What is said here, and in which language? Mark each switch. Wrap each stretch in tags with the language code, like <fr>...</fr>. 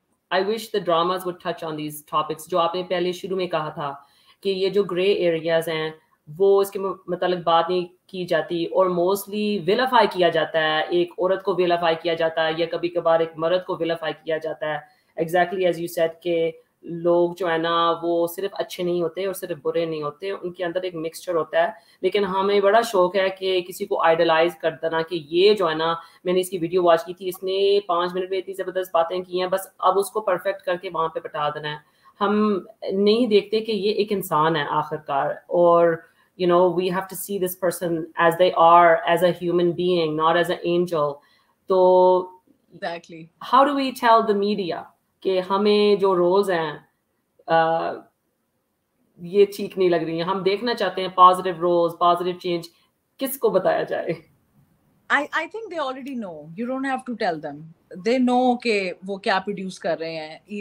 <en>I wish the dramas would touch on these topics.</en> <ur>جو آپ نے پہلے شروع میں کہا تھا کہ یہ جو گرے ایریاز ہیں وہ اس کے متعلق بات نہیں کی جاتی, اور موسٹلی ویلیفائی کیا جاتا ہے, ایک عورت کو ویلیفائی کیا جاتا ہے یا کبھی کبھار ایک مرد کو ویلیفائی کیا جاتا ہے,</ur> <en>exactly as you said</en> <ur>کہ لوگ جو ہے نا وہ صرف اچھے نہیں ہوتے اور صرف برے نہیں ہوتے, ان کے اندر ایک مکسچر ہوتا ہے, لیکن ہمیں بڑا شوق ہے کہ کسی کو آئیڈلائز کر دینا کہ یہ جو ہے نا, میں نے اس کی ویڈیو واچ کی تھی, اس نے پانچ منٹ میں اتنی زبردست باتیں کی ہیں, بس اب اس کو پرفیکٹ کر کے وہاں پہ بٹھا دینا ہے. ہم نہیں دیکھتے کہ یہ ایک انسان ہے آخر کار, اور</ur> <en>You know we have to see this person as they are, as a human being, not as a angel.</en> <ur>تو</ur> <en>exactly how do we tell the media</en> <ur>کہ ہمیں جو رولز ہیں یہ ٹھیک نہیں لگ رہی ہیں, ہم دیکھنا چاہتے ہیں پازیٹو رولز, پازیٹو چینج, کس کو بتایا جائے؟</ur> <en>I think they already know, you don't have to tell them, they know</en> <ur>کہ وہ کیا پروڈیوس کر رہے ہیں.</ur>